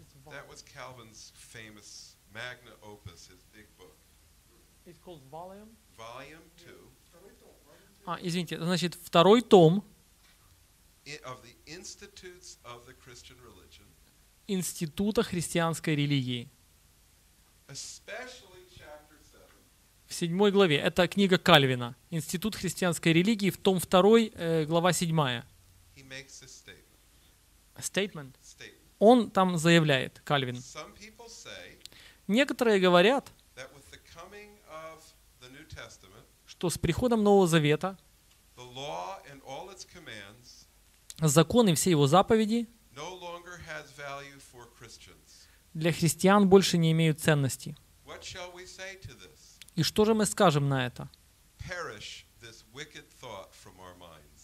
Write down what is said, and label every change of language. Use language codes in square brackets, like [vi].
[en] That was Calvin's famous magna opus, his big book. It's called Volume? Volume 2. [ru] Извините, значит, второй том. [en] of the institutes of the Christian religion. [ru] Института христианской религии. [en] Especially chapter 7. [ru] В 7 главе. Это книга Кальвина. Институт христианской религии, в том 2, глава 7. [en] He makes a statement. Statement. [ru] Он там заявляет, Кальвин. [en] Some people say, [ru] некоторые говорят, [en] that with the coming of the New Testament, [ru] что с приходом Нового Завета [en] the law and all its commands, [ru] закон и все его заповеди [en] no longer has value for Christians. [ru] Для христиан больше не имеют ценности. [en] What shall we say to this? [ru] И что же мы скажем на это? [en] Perish this wicked thought from our minds.